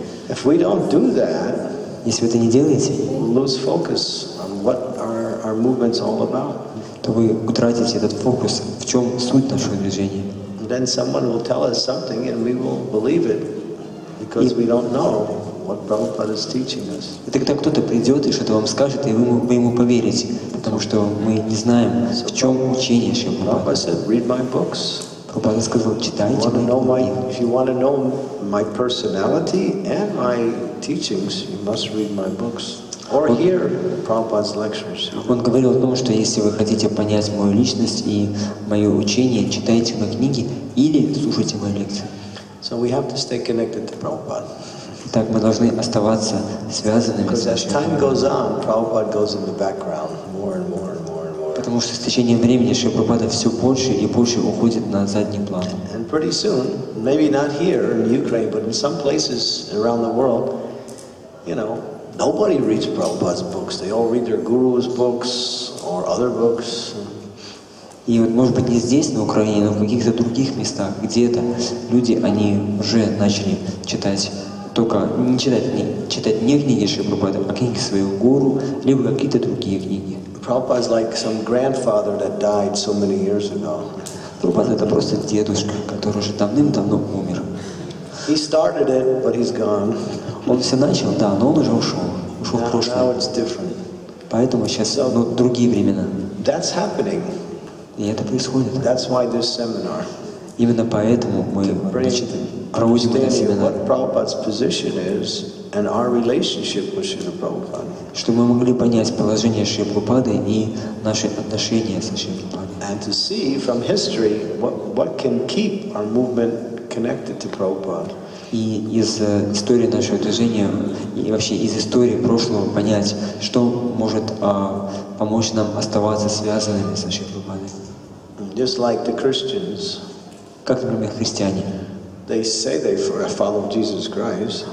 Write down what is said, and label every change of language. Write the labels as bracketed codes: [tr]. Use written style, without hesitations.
[en] If we don't do that, [ru] если вы это не делаете, [en] we'll lose focus on what our movement's all about. [ru] То вы утратите этот фокус, в чем суть нашего движения. [en] And then someone will tell us something and we will believe it, because we don't know what Prabhupada is teaching us. [ru] И тогда кто-то придет и что-то вам скажет, и вы ему поверите, потому что мы не знаем, в чем учение Шрилы Прабхупады. [en] Prabhupada said, read my books. [ru] Прабхупада сказал, читайте мои книги. [en] If you want to know my personality and my teachings, you must read my books or hear Prabhupada's lectures. [ru] Он говорил о том, что если вы хотите понять мою личность и мое учение, читайте мои книги или слушайте мои лекции. [en] So we have to stay connected to Prabhupada. [ru] Так мы должны оставаться связанными. [en] Because as time goes on, Prabhupada goes in the background more and more and more and more. [ru] Потому что с течением времени Шри Прабхупада все больше и больше уходит на задний план. [en] And pretty soon, maybe not here in Ukraine, but in some places around the world, you know, nobody reads Prabhupada's books. They all read their guru's books or other books. [ru] И вот, может быть, не здесь, на Украине, но в каких-то других местах, где-то люди, они уже начали читать. Только не читать не книги Шри Прабхупады, а книги своего гуру, либо какие-то другие книги. [en] Prabhupada is like some grandfather that died so many years ago. [ru] Прабхупада это просто дедушка, который уже давным-давно умер. [en] He started it, but he's gone. [ru] Он все начал, да, но он уже ушел в прошлое. [en] Now it's different. [ru] Поэтому сейчас другие времена. [en] That's happening. [ru] И это происходит. [en] That's why this seminar. [ru] Именно поэтому мы проводим этот семинар. [en] What Prabhupada's position is and our relationship with Srila Prabhupada. [ru] Чтобы мы могли понять положение Шри Прабхупады и наши отношения с Шри Прабхупадой. [en] And to see from history what can keep our movement connected to Prabhupada. [ru] И из истории нашего движения, и вообще из истории прошлого понять, что может помочь нам оставаться связанными с Шри Прабхупадой. [en] Just like the Christians. [ru] Как, например, христиане. [en] They say they follow Jesus Christ.